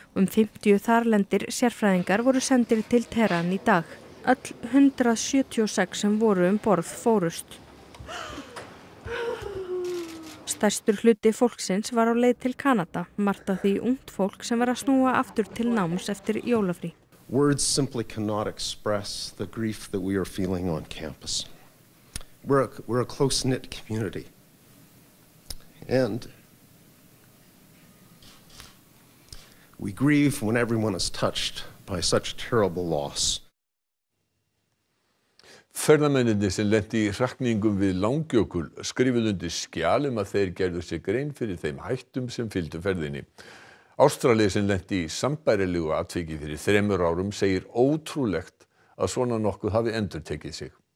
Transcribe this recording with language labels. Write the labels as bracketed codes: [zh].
[is] 50 þarlendir sérfræðingar voru sendir til Teheran í dag. Öll 176 sem voru borð fórust. Stærstur hluti fólksins var á leið til Kanada, margt af því ungt fólk sem var að snúa aftur til náms eftir jólafrí. [en] Words simply cannot express the grief that we are feeling on campus. We're a close-knit community. And we grieve when everyone is touched by such terrible loss. [is] Ferðamennirnir sem lenti í hrakningum við Langjökul skrifuðu undir skjal að þeir gerðu sér grein fyrir þeim hættum sem fylgdu ferðinni. Ástrali sem lenti í sambærilegu atviki fyrir 3 árum segir ótrúlegt að svona nokkuð hafi endurtekið sig.